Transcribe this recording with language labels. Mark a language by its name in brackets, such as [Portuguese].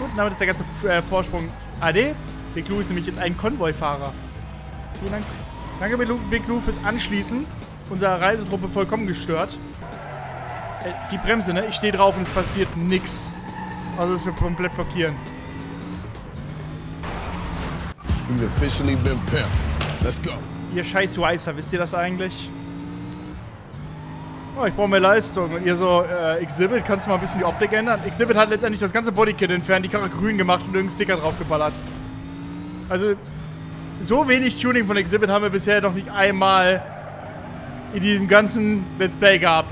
[German] Gut, damit ist der ganze Vorsprung AD. Big Lou ist nämlich jetzt ein Konvoi-Fahrer. Vielen Dank. Danke, Big Lou, fürs Anschließen. Unsere Reisetruppe vollkommen gestört. Die Bremse, ne? Ich stehe drauf und es passiert nichts. Also, dass wir komplett blockieren. [English] We've officially been pimped. Let's go. [German] Ihr scheiß Weißer, wisst ihr das eigentlich? Oh, ich brauche mehr Leistung. Und ihr so, Exhibit, kannst du mal ein bisschen die Optik ändern? Exhibit hat letztendlich das ganze Bodykit entfernt, die Karre grün gemacht und irgendeinen Sticker draufgeballert. Also, so wenig Tuning von Exhibit haben wir bisher noch nicht einmal in diesem ganzen Let's Play gehabt.